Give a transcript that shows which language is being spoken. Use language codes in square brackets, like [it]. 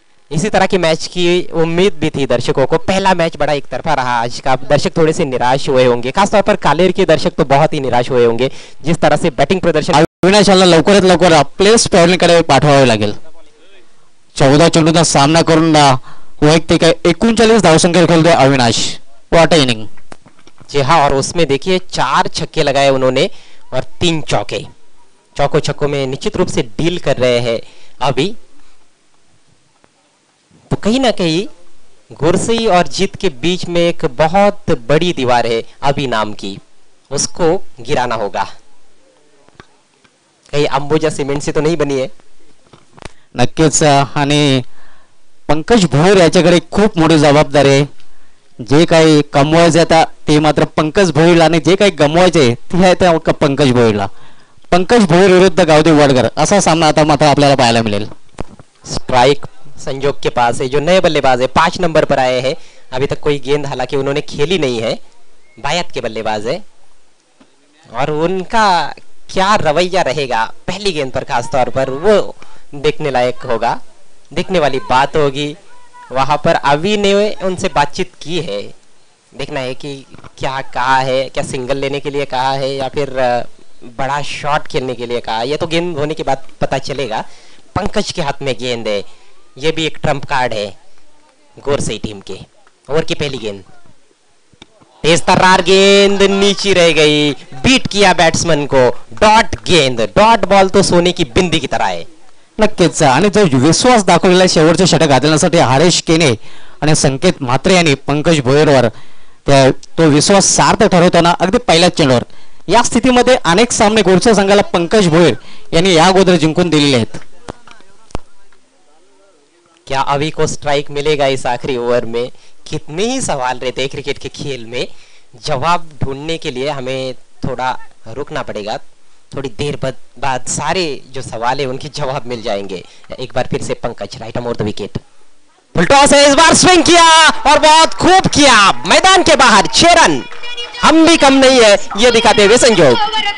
[hi] इसी तरह की मैच की उम्मीद भी थी दर्शकों को. पहला मैच बड़ा एक तरफा रहा आज का. दर्शक थोड़े से निराश हुए होंगे, खासतौर पर कालेर के दर्शक तो बहुत ही निराश हुए होंगे जिस तरह से बैटिंग प्रदर्शन. [mr] अविनाश ला लवकर लवकर प्लेस पेरन कडे पाठवावे लागेल. 14 चेंडूचा सामना करून वैयक्तिक 39 धावसंख्या खेळतोय अविनाश. [en] what inning [hi] जी. हाँ और उसमें देखिए 4 छक्के लगाए उन्होंने और 3 चौके. चौकों छक्कों में निश्चित रूप से डील कर रहे हैं अभी. तो कहीं ना कहीं गुरसई और जीत के बीच में एक बहुत बड़ी दीवार है अभी नाम की, उसको गिराना होगा. कहीं अंबुजा सीमेंट से तो नहीं बनी है. [mr] नक्कीच आणि पंकज भोर याच्याकडे खूप मोठी जबाबदारी आहे. जे काही कमवायचं आता ते मात्र पंकज भोईरला आणि जे काही गमवायचे ते आहे त्या पंकज भोईरला. पंकज भोईर विरुद्ध गावदेव वाडकर असा सामना आता मात्र आपल्याला पाहायला मिळेल. [hi] स्ट्राइक संजोग के पास है जो नए बल्लेबाज है. 5 नंबर पर आए हैं. अभी तक कोई गेंद हालांकि उन्होंने खेली नहीं है. बायत के बल्लेबाज है और उनका क्या रवैया रहेगा पहली गेंद पर खासतौर पर वो देखने लायक होगा, देखने वाली बात होगी. वहां पर अवी ने उनसे बातचीत की है देखना है कि क्या कहा है, क्या सिंगल लेने के लिए कहा है या फिर बड़ा शॉट खेलने के लिए कहा, ये तो गेंद होने के बाद पता चलेगा। पंकज के हाथ में गेंद है, ये भी एक ट्रंप कार्ड है गोरसई टीम के। ओवर की पहली गेंद, तेज तर्रार गेंद नीचे रह गई, बीट किया बैट्समैन को, डॉट गेंद, डॉट बॉल तो सोने की बिंदी की तरह है। [mr] नक्कीच, आणि जो विश्वास दाखवलेला आहे शेवटच्या षटक घालण्यासाठी हरेश केने आणि संकेत म्हात्रे यांनी पंकज भोयरवर, तो विश्वास सार्थ ठरवताना अगदी पहिल्याच चेंडूवर। या स्थितीमध्ये अनेक सामने गोरसा संघाला पंकज भोयर यांनी या अगोदर जिंकून दिलेले आहेत। [hi] क्या अभी को स्ट्राइक मिलेगा इस आखिरी ओवर में? कितने ही सवाल रहते हैं क्रिकेट के खेल में, जवाब ढूंढने के लिए हमें थोड़ा रुकना पड़ेगा, थोड़ी देर बाद सारे जो सवाल है उनके जवाब मिल जाएंगे। एक बार फिर से Pankaj right over the wicket, full toss है, इस बार स्विंग किया और बहुत खूब किया, मैदान के बाहर 6 रन, हम भी कम नहीं है ये दिखाते हुए संजोग।